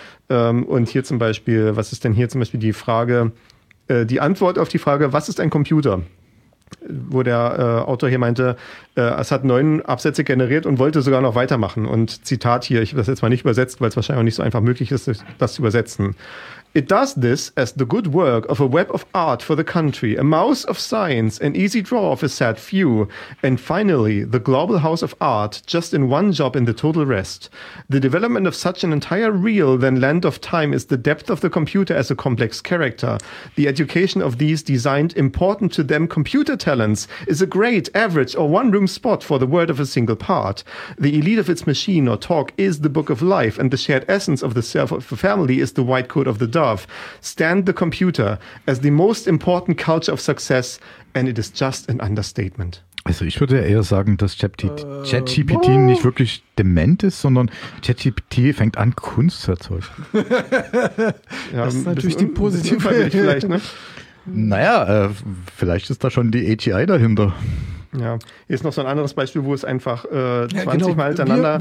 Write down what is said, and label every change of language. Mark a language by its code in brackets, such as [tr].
[de] Und hier zum Beispiel, was ist denn hier zum Beispiel die Frage, die Antwort auf die Frage, was ist ein Computer? Wo der Autor hier meinte, es hat 9 Absätze generiert und wollte sogar noch weitermachen. Und Zitat hier, ich habe das jetzt mal nicht übersetzt, weil es wahrscheinlich auch nicht so einfach möglich ist, das zu übersetzen. [en] It does this as the good work of a web of art for the country, a mouse of science, an easy draw of a sad few, and finally the global house of art, just in one job in the total rest. The development of such an entire real, then land of time, is the depth of the computer as a complex character. The education of these designed important to them computer talents is a great, average, or one room spot for the word of a single part. The elite of its machine or talk is the book of life, and the shared essence of the self of a family is the white coat of the dove. Stand the computer as the most important culture of success, and it is just an understatement. [de] Also ich würde eher sagen, dass ChatGPT nicht wirklich dement ist, sondern ChatGPT fängt an, Kunst zu erzeugen. Ja, das ist natürlich die positive Idee vielleicht, ne? Naja, vielleicht ist da schon die AGI dahinter. Ja, hier ist noch so ein anderes Beispiel, wo es einfach 20 Mal hintereinander...